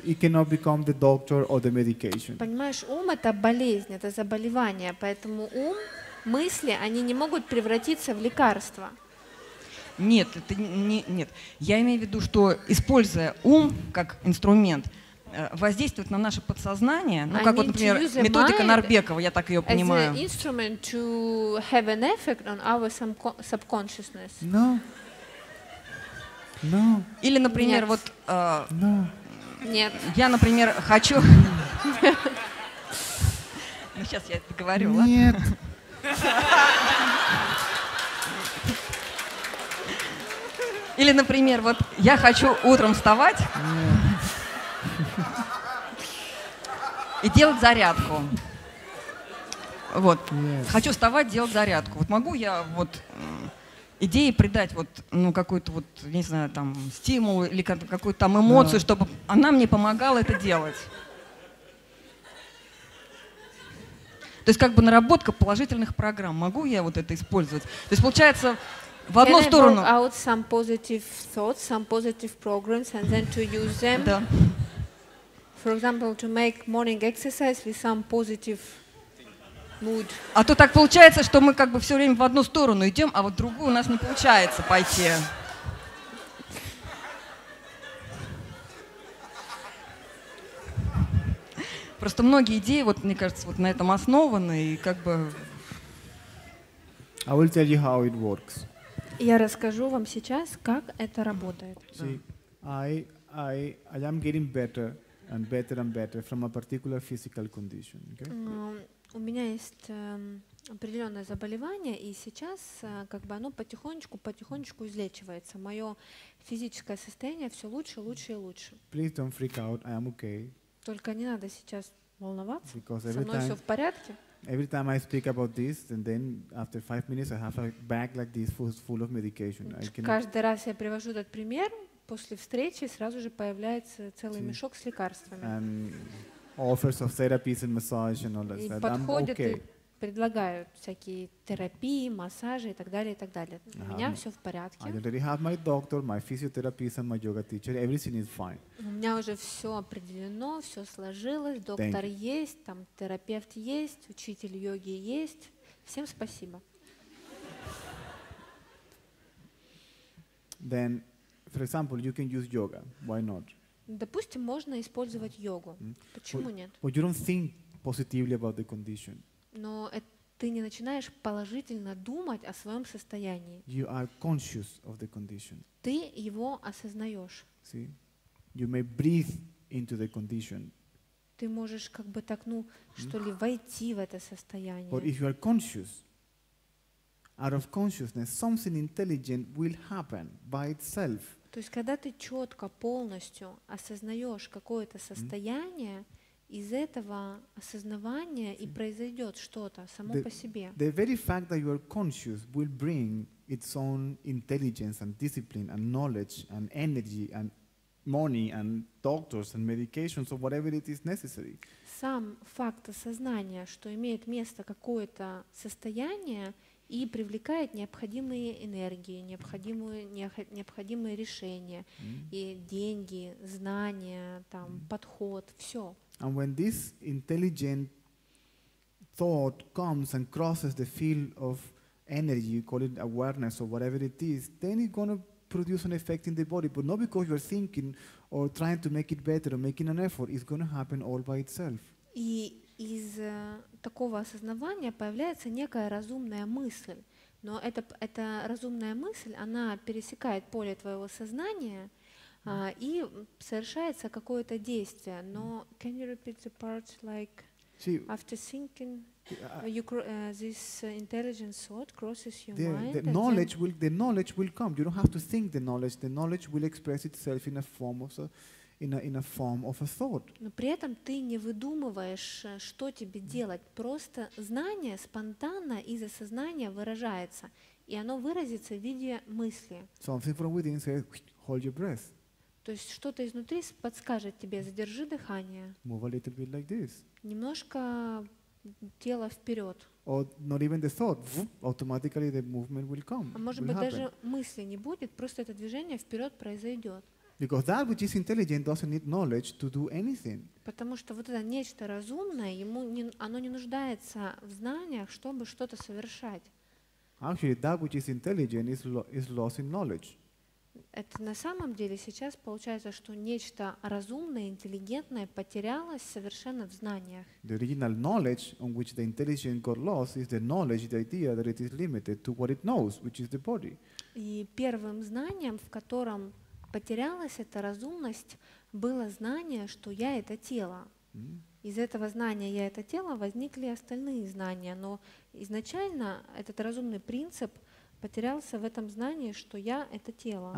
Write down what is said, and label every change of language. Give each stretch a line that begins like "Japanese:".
English: It cannot become the doctor or the medication.
Russian: Понимаешь, ум — это болезнь, это заболевание, поэтому ум, мысли, они не могут превратиться в лекарство. Нет, это не, нет. Я имею в виду, что используя ум как инструмент, воздействует на наше подсознание, ну, как вот, например, методика Нарбекова, я так ее понимаю.
English: As an instrument to have an effect on our subconsciousness. No. No.
Russian: Или, например, нет. Вот...
English: No.
Russian: Нет. Я, например, хочу... Ну, сейчас я это говорю, ладно? Нет. Или, например, вот я хочу утром вставать... И делать зарядку. Вот.
English: Yes.
Russian: Хочу вставать, делать зарядку. Вот могу я вот идеи придать вот, ну, какую-то вот, не знаю, там, стимул или какую-то там эмоцию, yeah. чтобы она мне помогала это делать. То есть как бы наработка положительных программ. Могу я вот это использовать? То есть получается в одну сторону...
English: Can I bring out some positive thoughts, some positive programs, and then to use them?
Russian: Да.
English: For example, to make morning exercise with some positive mood.
Russian: А то так получается, что мы как бы все время в одну сторону идем, а вот в другую у нас не получается пойти. Просто многие идеи, вот мне кажется, вот на этом основаны и как бы.
English: I will tell you how it works.
Russian: Я расскажу вам сейчас, как это работает.
English: See, I am getting better. And better and better from a particular physical condition. Okay?
Russian: У меня есть определенное заболевание, и сейчас как бы оно потихонечку излечивается. Мое физическое состояние все лучше, лучше и лучше.
English: Please don't freak out. I am okay.
Russian: Только не надо сейчас волноваться.
English: Because
Russian: со мной все в порядке.
English: Every time I speak about this, and then after 5 minutes I have a bag like this full of medication.
Russian: Каждый раз я привожу этот пример. После встречи сразу же появляется целый мешок с лекарствами.
English: And offers of therapies and massage and all that.
Russian: И подходят и предлагают всякие терапии, массажи и так далее, и так далее. У меня все в порядке.
English: I already have my doctor, my physiotherapist and my yoga teacher. Everything is fine.
Russian: У меня уже все определено, все сложилось. Доктор есть, там терапевт есть, учитель йоги есть. Всем спасибо.
English: Then, for example, you can use yoga. Why not?
Russian: Допустим, можно использовать йогу. Почему нет?
English: But you don't think positively about the condition.
Russian: Но ты не начинаешь положительно думать о своем состоянии.
English: You are conscious of the condition.
Russian: Ты его осознаешь.
English: See? You may breathe into the condition.
Russian: Ты можешь как бы так, ну, что ли, войти в это состояние.
English: But if you are conscious, out of consciousness, something intelligent will happen by itself.
Russian: То есть, когда ты четко, полностью осознаешь какое-то состояние, из этого осознавания и произойдет что-то само по себе.
English: The very fact that you are conscious will bring its own intelligence and discipline and knowledge and energy and money and doctors and medications or whatever it is necessary.
Russian: Сам факт осознания, что имеет место какое-то состояние и привлекает необходимые энергии, необходимые решения, и деньги, знания, там, подход, все.
English: And when this intelligent thought comes and crosses the field of energy, you call it awareness or whatever it is, then it's going to produce an effect in the body, but not because you're thinking or trying to make it better or making an effort. It's going to happen all by itself.
Russian: И из такого осознавания появляется некая разумная мысль. Но эта разумная мысль, она пересекает поле твоего сознания, и совершается какое-то действие.
English: Но can you repeat the part like after thinking this intelligent thought crosses your mind? The knowledge will come. You don't have to think the knowledge. The knowledge will express itself in a form of a thought.
Russian: Но при этом ты не выдумываешь, что тебе делать. Просто знание спонтанно из осознания выражается, и оно выразится в виде мысли.
English: Something from within says, hold your breath.
Russian: То есть что-то изнутри подскажет тебе, задержи дыхание.
English: Move a little bit like this.
Russian: Немножко тело вперед.
English: Or not even the thought. Automatically the movement will come.
Russian: А может быть даже мысли не будет, просто это движение вперед произойдет.
English: Because that which is intelligent doesn't need knowledge to do anything.
Russian: Потому что вот это нечто разумное, оно не нуждается в знаниях, чтобы что-то совершать.
English: Actually, that which is intelligent is lost in knowledge.
Russian: Это на самом деле сейчас получается, что нечто разумное, интеллигентное потерялось совершенно в знаниях.
English: The original knowledge on which the intelligence got lost is the knowledge, the idea that it is limited to what it knows, which is the body.
Russian: И первым знанием, в котором потерялась эта разумность, было знание, что я — это тело. Из этого знания «я — это тело» возникли остальные знания, но изначально этот разумный принцип потерялся в этом знании, что я — это тело.